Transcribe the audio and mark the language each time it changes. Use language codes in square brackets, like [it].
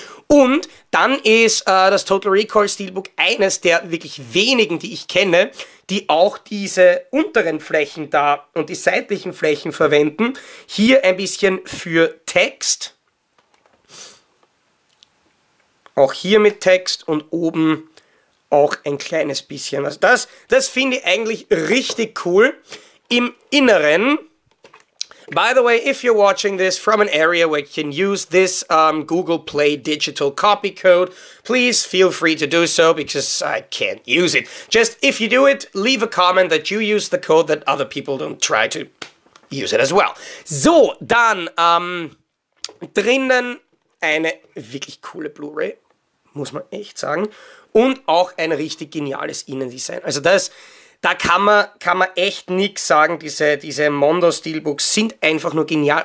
[de] Und dann ist das Total Recall Steelbook eines der wirklich wenigen, die ich kenne, die auch diese unteren Flächen da und die seitlichen Flächen verwenden. Hier ein bisschen für Text. Auch hier mit Text und oben auch ein kleines bisschen. Also das finde ich eigentlich richtig cool. Im Inneren, [en] by the way, if you're watching this from an area where you can use this Google Play digital copy code, please feel free to do so because I can't use it. Just if you do it, leave a comment that you use the code that other people don't try to use it as well. [de] So, dann drinnen eine wirklich coole Blu-ray, muss man echt sagen, und auch ein richtig geniales Innendesign. Also das, da kann man echt nichts sagen, diese Mondo Steelbooks sind einfach nur genial.